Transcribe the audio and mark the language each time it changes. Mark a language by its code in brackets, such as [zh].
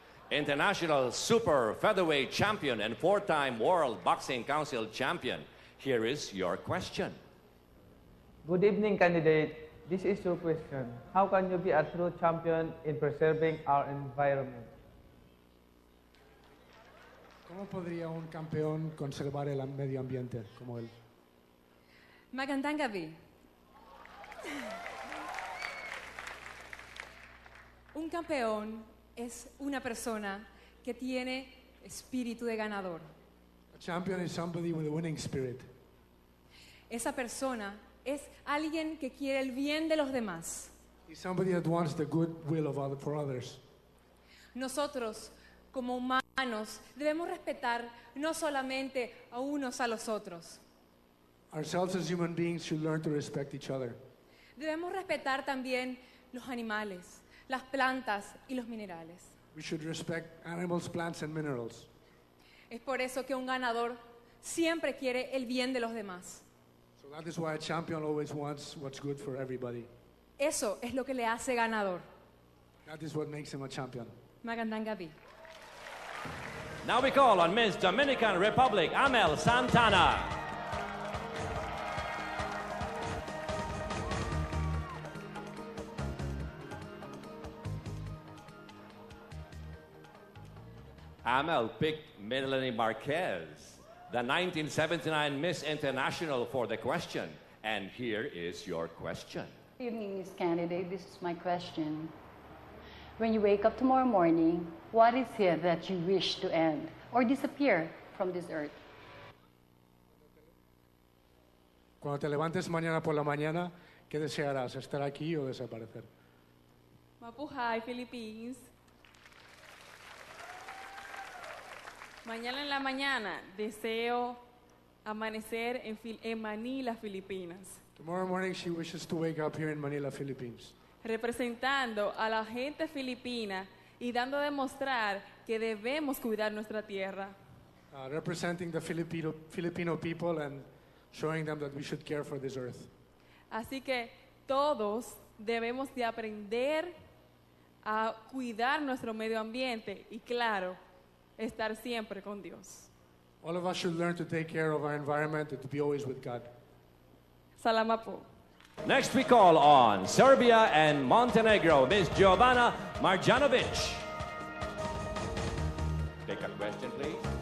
[en] International Super Featherweight Champion and 4-time World Boxing Council Champion. Here is your question. Good evening, candidate. This is your question. How can you be a true champion in preserving our environment? [es] ¿Cómo podría un campeón conservar el medio ambiente como él? [tl] Magandang gabi. [es] Un campeón es una persona que tiene espíritu de ganador. [en] A champion is somebody with a winning spirit. [es] Esa persona es alguien que quiere el bien de los demás. [en] He's somebody that wants the good will of other, for others. [es] Nosotros, como humanos, debemos respetar no solamente a unos a los otros. [en] Ourselves as human beings should learn to respect each other. [es] Debemos respetar también los animales, las plantas y los minerales. [en] We should respect animals, plants, and minerals. [es] Es por eso que un ganador siempre quiere el bien de los demás. [en] So that is why a champion always wants what's good for everybody. [es] Eso es lo que le hace ganador. [en] That is what makes him a champion. [tl] Magandang gabi. [en] Now we call on Miss Dominican Republic, Amell Santana. Amell picked Melanie Marquez, the 1979 Miss International, for the question. And here is your question. Good evening, Miss Candidate. This is my question. When you wake up tomorrow morning, what is it that you wish to end or disappear from this earth? [es] Cuando te levantes mañana por la mañana, ¿qué desearás? ¿Estar aquí o desaparecer? [tl] Mapuhay, Philippines. [es] Mañana en la mañana deseo amanecer en Manila, Filipinas. [en] Tomorrow morning she wishes to wake up here in Manila, Philippines. [es] Representando a la gente filipina y dando a demostrar que debemos cuidar nuestra tierra. [en] Representing the Filipino people and showing them that we should care for this earth. [es] Así que todos debemos de aprender a cuidar nuestro medio ambiente y claro, estar siempre con Dios. [en] All of us should learn to take care of our environment and to be always with God. [tl] Salamat po. [en] Next we call on Serbia and Montenegro, Miss Jovana Marjanovic. Take a question, please.